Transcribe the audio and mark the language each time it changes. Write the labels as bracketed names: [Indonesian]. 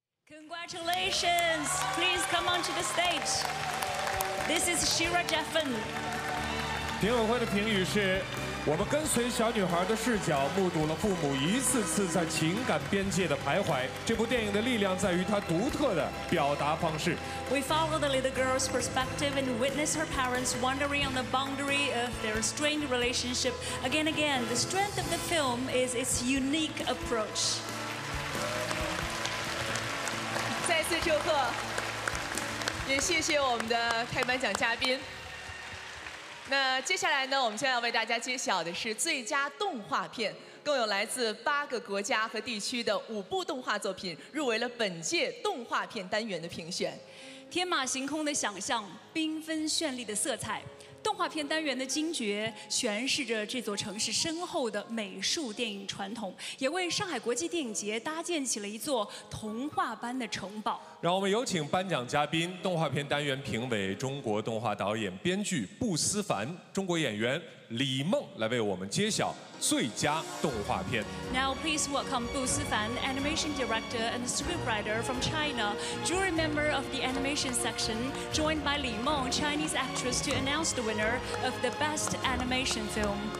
[English] Congratulations! Please come onto the stage. This is Shira Jeffen. [Chinese] 评委会的评语是：我们跟随小女孩的视角，目睹了父母一次次在情感边界的徘徊。这部电影的力量在于它独特的表达方式。 [English] We follow the little girl's perspective and witness her parents wandering on the boundary of their strained relationship. Again, again, the strength of the film is its unique approach. [Chinese] 再次祝贺，也谢谢我们的开颁奖嘉宾。那接下来呢，我们将要为大家揭晓的是最佳动画片，共有来自8个国家和地区的5部动画作品入围了本届动画片单元的评选。天马行空的想象，缤纷绚丽的色彩，动画片单元的金爵诠释着这座城市深厚的美术电影传统，也为上海国际电影节搭建起了一座童话般的城堡。让我们有请颁奖嘉宾、动画片单元评委、中国动画导演、编剧布思凡、中国演员李梦来为我们揭晓最佳动画片。 [English] Now please welcome 布思凡, animation director and scriptwriter from China, jury member of the animation section, joined by 李梦, Chinese actress, to announce the winner of the best animation film.